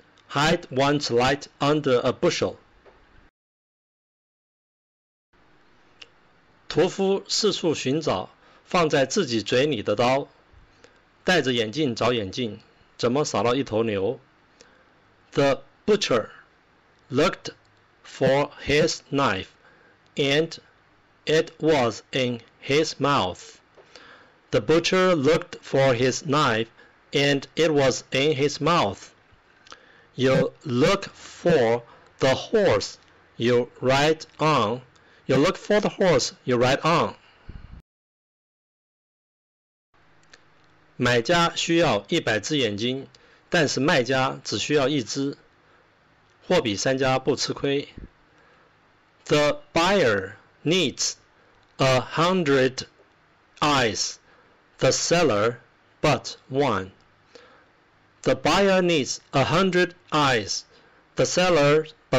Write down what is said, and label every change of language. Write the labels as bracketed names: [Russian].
[English] Hide one's light under a bushel. [Chinese] 屠夫四处寻找放在自己嘴里的刀，戴着眼镜找眼镜，怎么扫到一头牛。 [English] The butcher looked for his knife and it was in his mouth. The butcher looked for his knife and it was in his mouth. You look for the horse you ride on. You look for the horse you ride on. [Chinese] 买家需要一百只眼睛，但是卖家只需要一只，货比三家不吃亏。 [English] The buyer needs 100 eyes, the seller but one. The buyer needs 100 eyes, the seller but one.